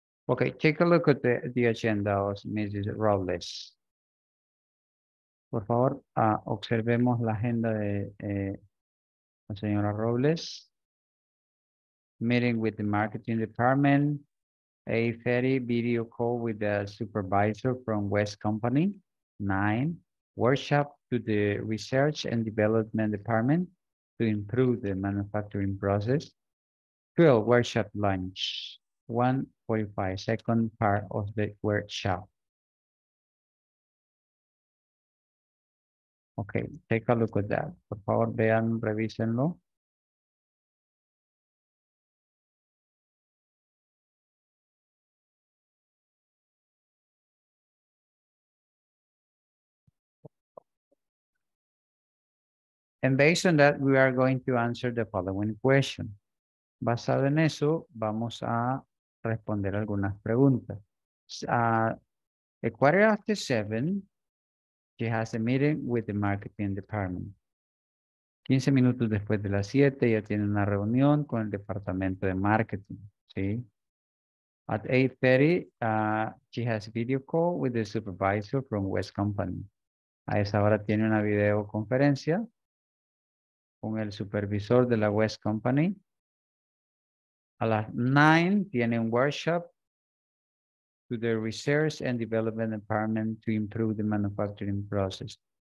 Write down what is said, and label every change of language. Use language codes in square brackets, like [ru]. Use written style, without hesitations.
[en] Okay, take a look at the agenda, Mrs. Robles. [es] Por favor, observemos la agenda de la señora Robles. [en] Meeting with the marketing department. 8:30, video call with the supervisor from West Company. 9, workshop to the research and development department to improve the manufacturing process. 12, workshop lunch. 1:45, second part of the workshop. Okay, take a look at that. [es] Por favor, vean, revísenlo. [en] And based on that, we are going to answer the following question. [es] Basado en eso, vamos a responder algunas preguntas. [en] A quarter after seven, she has a meeting with the marketing department. [es] 15 minutos después de las 7, ella tiene una reunión con el departamento de marketing. ¿Sí? [en] At 8:30, she has a video call with the supervisor from West Company. [es] A esa hora tiene una videoconferencia con el supervisor de la West Company. A las 9 tiene un [en] workshop to the Research and Development Department to improve the manufacturing process.